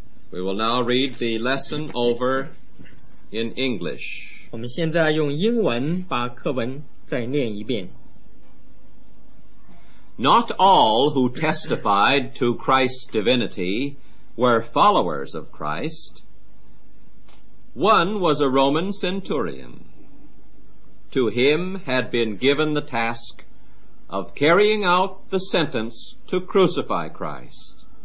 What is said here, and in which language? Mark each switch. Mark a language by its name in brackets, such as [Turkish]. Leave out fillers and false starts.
[English] We will now read the lesson over in English. [Chinese] 我们现在用英文把课文再念一遍。 [English] Not all who testified to Christ's divinity were followers of Christ. One was a Roman centurion. To him had been given the task of carrying out the sentence to crucify Christ.